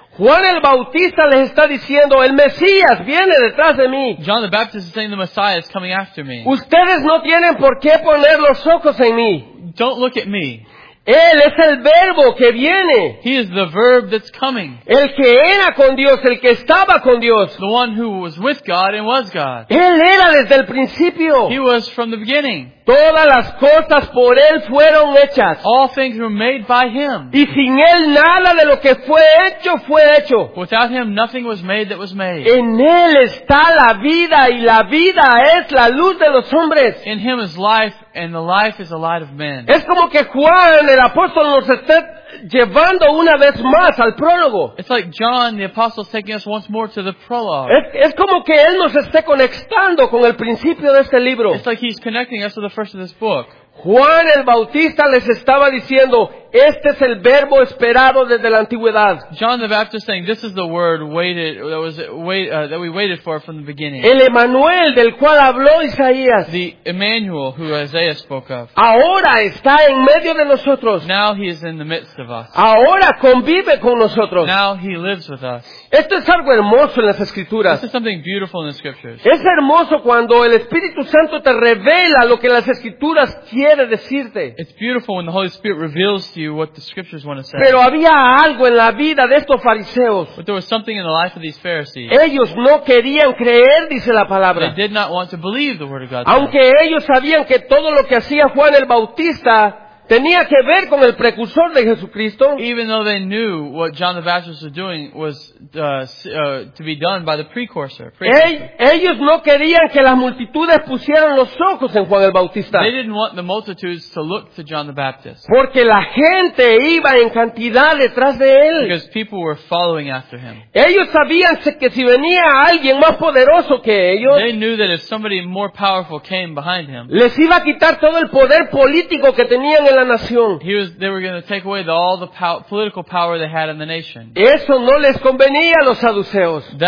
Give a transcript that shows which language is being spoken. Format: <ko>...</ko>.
<es>Juan el Bautista les está diciendo, el Mesías viene detrás de mí.</es> <en>John the Baptist is saying the Messiah is coming after me.</en> <es>Ustedes no tienen por qué poner los ojos en mí.</es> <en>Don't look at me.</en> <es>Él es el verbo que viene.</es> <en>He is the verb that's coming.</en> <es>El que era con Dios, el que estaba con Dios.</es> <en>The one who was with God and was God.</en> <es>Él era desde el principio.</es> <en>He was from the beginning.</en> <es>Todas las cosas por él fueron hechas.</es> <en>All things were made by him.</en> <es>Y sin él nada de lo que fue hecho fue hecho.</es> <en>Without him nothing was made that was made.</en> <es>En él está la vida y la vida es la luz de los hombres.</es> <en>In him is life and the life is the light of men.</en> <es>Es como que Juan el apóstol nos esté llevando una vez más al prólogo.</es> <en>It's like John the apostle taking us once more to the prologue.</en> <es>Es como que él nos esté conectando con el principio de este libro.</es> <en>It's like he's connecting us to the first of this book.</en> <es>Juan el Bautista les estaba diciendo, este es el verbo esperado desde la antigüedad.</es> <en>John the Baptist saying, this is the word waited that was wait, that we waited for from the beginning.</en> <es>El Emmanuel del cual habló Isaías.</es> <en>The Emmanuel who Isaiah spoke of.</en> <es>Ahora está en medio de nosotros.</es> <en>Now he is in the midst of us.</en> <es>Ahora convive con nosotros.</es> <en>Now he lives with us.</en> <es>Esto es algo hermoso en las Escrituras.</es> <en>This is something beautiful in the Scriptures.</en> <es>Es hermoso cuando el Espíritu Santo te revela lo que las Escrituras quiere decirte.</es> <en>It's beautiful when the Holy Spirit reveals to you what the Scriptures want to say.</en> <es>Pero había algo en la vida de estos fariseos.</es> <en>But there was something in the life of these Pharisees.</en> <es>Ellos no querían creer, dice la palabra.</es> <en>They did not want to believe the word of God.</en> <es>Aunque ellos sabían que todo lo que hacía Juan el Bautista tenía que ver con el precursor de Jesucristo.</es> <en>Even though they knew what John the Baptist was doing was to be done by the precursor.</en> <es>Ellos no querían que las multitudes pusieran los ojos en Juan el Bautista.</es> <en>They didn't want the multitudes to look to John the Baptist.</en> <es>Porque la gente iba en cantidad detrás de él.</es> <en>Because people were following after him.</en> <es>Ellos sabían que si venía alguien más poderoso que ellos,</es> <en>they knew that if somebody more powerful came behind him,</en> <es>les iba a quitar todo el poder político que tenían en la nación.</es> <en>They were going to take away all the political power they had in the nation.</en> <es>Eso no les convenía a los saduceos.</es>